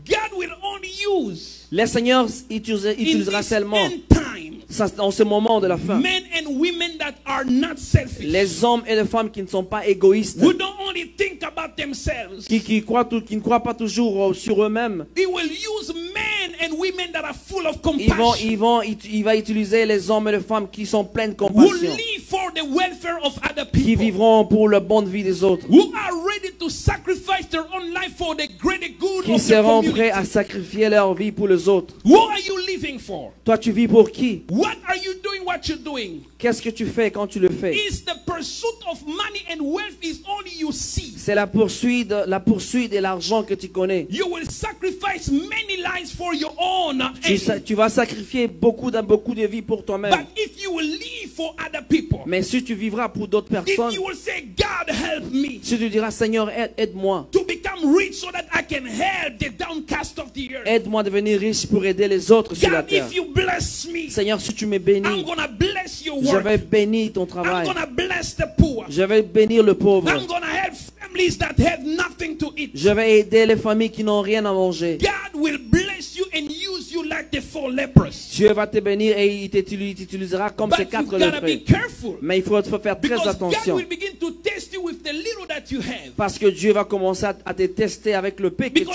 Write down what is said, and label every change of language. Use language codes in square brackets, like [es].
[en] God will only use [fr] le Seigneur utilisera seulement en ce moment de la fin [en] men and women that are not selfish, [fr] les hommes et les femmes qui ne sont pas égoïstes, [en] who don't only think about themselves, [fr] qui ne croient pas toujours sur eux-mêmes. [en] He will use men and women that are full of compassion. [fr] Il va utiliser les hommes et les femmes qui sont pleins de compassion, [en] who live for the welfare of other people, [fr] qui vivront pour la bonne vie des autres, [en] who are ready to sacrifice their own life for the greater good, [fr] qui [en] of [fr] seront [en] the community. [fr] Prêts à sacrifier leur vie pour les autres. [en] Who are you living for? [fr] Toi, tu vis pour qui? [en] What are you doing? What you're doing? [fr] Qu'est-ce que tu fais quand tu le fais? [en] Is the pursuit of money and wealth is only you see? [fr] C'est la poursuite de l'argent que tu connais. [en] You will sacrifice many lives for your own. [fr] Tu vas sacrifier beaucoup de vies pour toi-même. [en] But if you will live for other people, [fr] mais si tu vivras pour d'autres personnes, [en] if you will say God help me, [fr] si tu diras Seigneur aide-moi, [en] to become become rich so that I can help the downcast of the earth. [fr] Aide-moi à devenir riche pour aider les autres sur la terre. [en] If you bless me, [fr] Seigneur, si tu me bénis, [en] I'm gonna bless your work. [fr] Je vais bénir ton travail. [en] I'm gonna bless the poor. [fr] Je vais bénir le pauvre. [en] I'm gonna help families that have nothing to eat. [fr] Je vais aider les familles qui n'ont rien à manger. [en] God will bless you and use you like the four lepers. [fr] Dieu va te bénir et il t'utilisera comme [en] But [fr] ces quatre lépreux. Mais il faut faire très attention. [en] God will begin to test you with the little that you have. [fr] Parce que Dieu va commencer à te tester avec le peu que tu as.